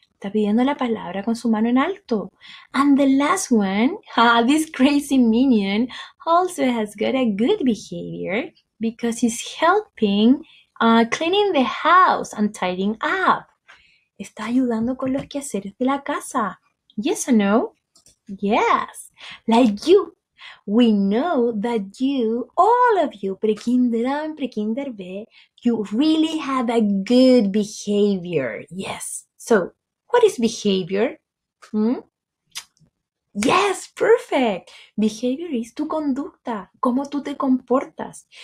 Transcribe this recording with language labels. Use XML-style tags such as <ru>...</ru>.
<es>Está pidiendo la palabra con su mano en alto.</es> <en>And the last one, this crazy minion also has got a good behavior because he's helping cleaning the house and tidying up.</en> <es>Está ayudando con los quehaceres de la casa.</es> <en>Yes or no? Yes. Like you. We know that you, all of you, prekinder A and prekinder B, you really have a good behavior. Yes. So, what is behavior? Yes, perfect. Behavior is</en> <es>tu conducta, cómo tú te comportas.</es>